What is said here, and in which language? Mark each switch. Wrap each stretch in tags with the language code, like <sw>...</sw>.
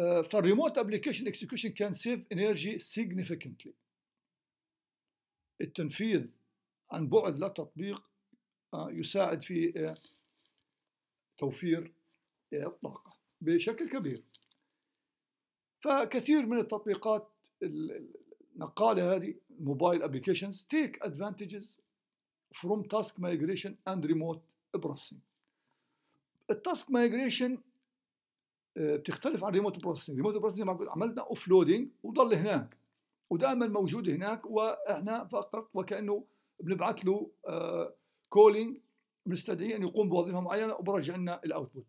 <ar>فالريموت</ar> <en>application execution can save energy significantly،</en> <ar>التنفيذ عن بعد للتطبيق يساعد في توفير الطاقة بشكل كبير. فكثير من التطبيقات النقالة هذه</ar> <en>mobile applications take advantages from task migration and remote processing.</en> <ar>التاسك مايجريشن بتختلف عن ريموت بروسيسنج. ريموت بروسيسنج عملنا اوفلودينج وضل هناك ودائما موجود هناك، واحنا فقط وكانه بنبعث له كولينج، بنستدعي ان يقوم بوظيفه معينه وبرجع لنا الاوتبوت.</ar>